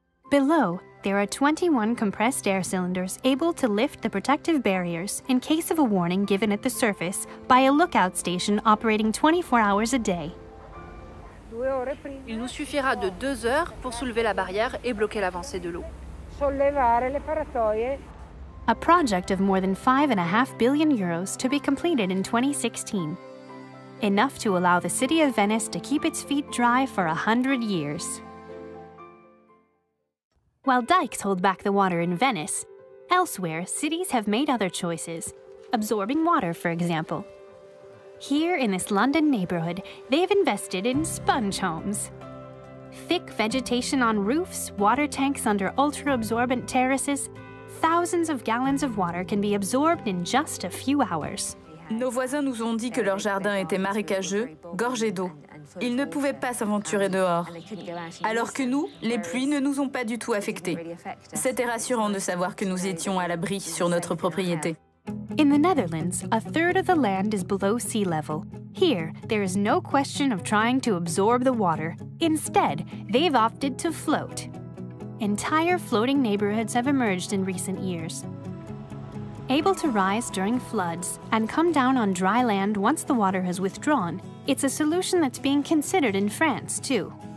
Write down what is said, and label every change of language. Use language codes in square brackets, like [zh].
[en] Below, there are 21 compressed air cylinders able to lift the protective barriers in case of a warning given at the surface by a lookout station operating 24 hours a day. [fr] Il nous suffira de 2 heures pour soulever la barrière et bloquer l'avancée de l'eau. [en] A project of more than 5.5 billion euros to be completed in 2016. Enough to allow the city of Venice to keep its feet dry for 100 years. While dikes hold back the water in Venice, elsewhere, cities have made other choices. Absorbing water, for example. Here in this London neighborhood, they've invested in sponge homes. Thick vegetation on roofs, water tanks under ultra-absorbent terraces, thousands of gallons of water can be absorbed in just a few hours. [fr] Nos voisins nous ont dit que leur jardin était marécageux, gorgé d'eau. Ils ne pouvaient pas s'aventurer dehors. Alors que nous, les pluies ne nous ont pas du tout affectés. C'était rassurant de savoir que nous étions à l'abri sur notre propriété. [en] In the Netherlands, a third of the land is below sea level. Here, there is no question of trying to absorb the water. Instead, they've opted to float. Entire floating neighborhoods have emerged in recent years. Able to rise during floods and come down on dry land once the water has withdrawn, it's a solution that's being considered in France, too.